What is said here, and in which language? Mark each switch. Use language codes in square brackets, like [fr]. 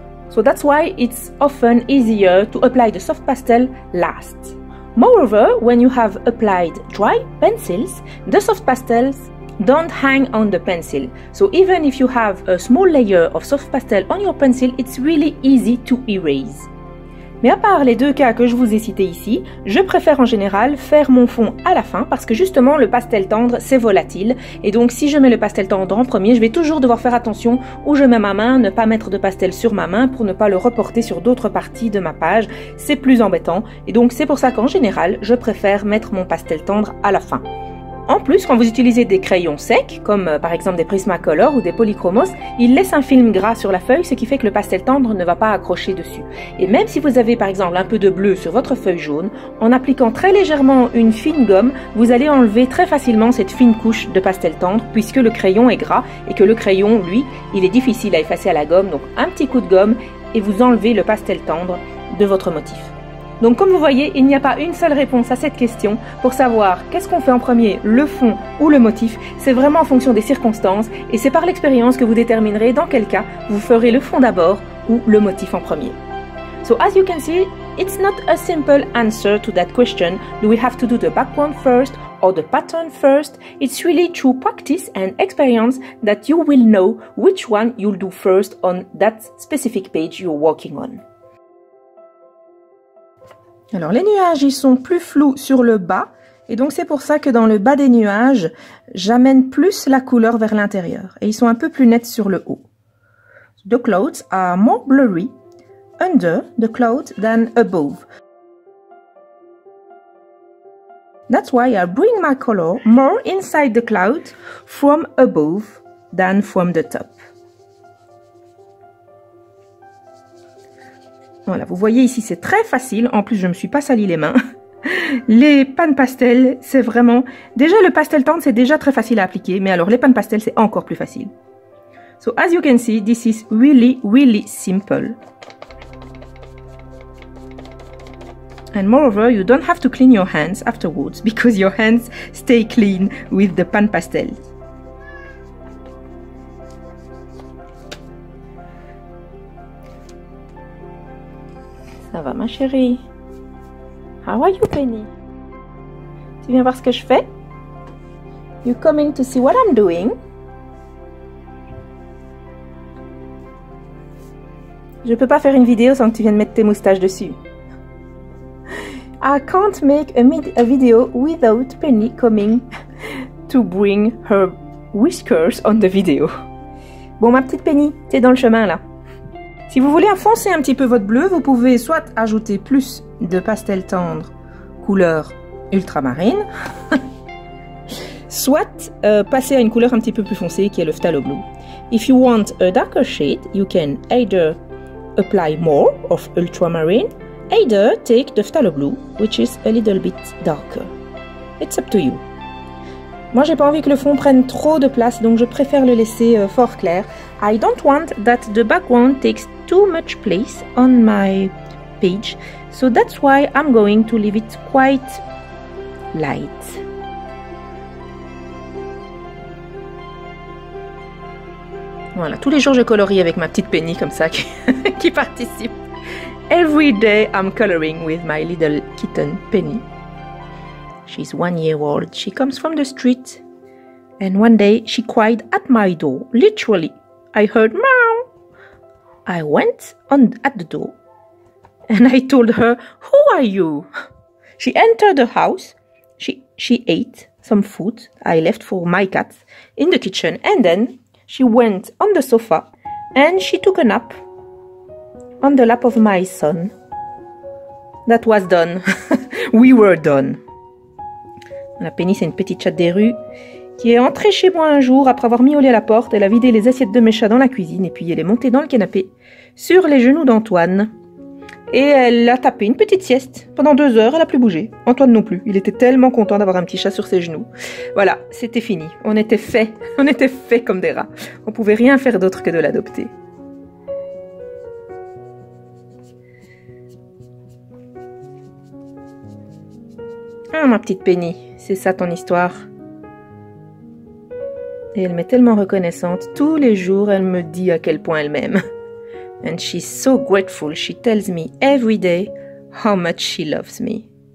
[en] So that's why it's often easier to apply the soft pastel last. Moreover, when you have applied dry pencils, the soft pastels don't hang on the pencil. So even if you have a small layer of soft pastel on your pencil, it's really easy to erase. [fr] Mais à part les deux cas que je vous ai cités ici, je préfère en général faire mon fond à la fin parce que justement le pastel tendre c'est volatile. Et donc si je mets le pastel tendre en premier, je vais toujours devoir faire attention où je mets ma main, ne pas mettre de pastel sur ma main pour ne pas le reporter sur d'autres parties de ma page. C'est plus embêtant et donc c'est pour ça qu'en général, je préfère mettre mon pastel tendre à la fin. En plus, quand vous utilisez des crayons secs, comme par exemple des Prismacolor ou des Polychromos, ils laissent un film gras sur la feuille, ce qui fait que le pastel tendre ne va pas accrocher dessus. Et même si vous avez par exemple un peu de bleu sur votre feuille jaune, en appliquant très légèrement une fine gomme, vous allez enlever très facilement cette fine couche de pastel tendre, puisque le crayon est gras et que le crayon, lui, il est difficile à effacer à la gomme. Donc un petit coup de gomme et vous enlevez le pastel tendre de votre motif. Donc comme vous voyez, il n'y a pas une seule réponse à cette question pour savoir qu'est-ce qu'on fait en premier, le fond ou le motif. C'est vraiment en fonction des circonstances et c'est par l'expérience que vous déterminerez dans quel cas vous ferez le fond d'abord ou le motif en premier. [en] So as you can see, it's not a simple answer to that question. Do we have to do the background first or the pattern first? It's really through practice and experience that you will know which one you'll do first on that specific page you're working on. [fr] Alors les nuages, ils sont plus flous sur le bas et donc c'est pour ça que dans le bas des nuages, j'amène plus la couleur vers l'intérieur et ils sont un peu plus nets sur le haut. [en] The clouds are more blurry under the cloud than above. That's why I bring my color more inside the cloud from above than from the top. [fr] Voilà, vous voyez ici, c'est très facile. En plus, je ne me suis pas sali les mains. Les PanPastels, c'est vraiment... Déjà, le pastel tendre, c'est déjà très facile à appliquer. Mais alors, les PanPastels, c'est encore plus facile. [en] So, as you can see, this is really, really simple. And moreover, you don't have to clean your hands afterwards because your hands stay clean with the PanPastels. [fr] Ça va, ma chérie? [en] How are you, Penny? [fr] Tu viens voir ce que je fais? [en] You're coming to see what I'm doing. [fr] Je peux pas faire une vidéo sans que tu viennes mettre tes moustaches dessus. [en] I can't make a video without Penny coming to bring her whiskers on the video. [fr] Bon, ma petite Penny, t'es dans le chemin là. Si vous voulez enfoncer un petit peu votre bleu, vous pouvez soit ajouter plus de pastels tendres couleur ultramarine, soit passer à une couleur un petit peu plus foncée qui est le phtalo blue. [en] If you want a darker shade, you can either apply more of ultramarine, either take the phtalo blue, which is a little bit darker. It's up to you. [fr] Moi, j'ai pas envie que le fond prenne trop de place, donc je préfère le laisser fort clair. [en] I don't want that the background takes too much place on my page, so that's why I'm going to leave it quite light. [fr] Voilà, tous les jours je colorie avec ma petite Penny comme ça qui participe. [en] Every day I'm coloring with my little kitten Penny. She's 1 year old, she comes from the street. And one day she cried at my door, literally. I heard meow. I went at the door and I told her, who are you? She entered the house, she ate some food I left for my cat in the kitchen, and then she went on the sofa and she took a nap on the lap of my son. That was done. We were done. [fr] La Penny, c'est une petite chatte des rues qui est entrée chez moi un jour après avoir miaulé à la porte. Elle a vidé les assiettes de mes chats dans la cuisine et puis elle est montée dans le canapé sur les genoux d'Antoine. Et elle a tapé une petite sieste. Pendant 2 heures, elle n'a plus bougé. Antoine non plus. Il était tellement content d'avoir un petit chat sur ses genoux. Voilà, c'était fini. On était fait. On était fait comme des rats. On ne pouvait rien faire d'autre que de l'adopter. Ah, ma petite Penny, c'est ça ton histoire. Et elle m'est tellement reconnaissante. Tous les jours, elle me dit à quel point elle m'aime. [en] And she's so grateful. She tells me every day how much she loves me.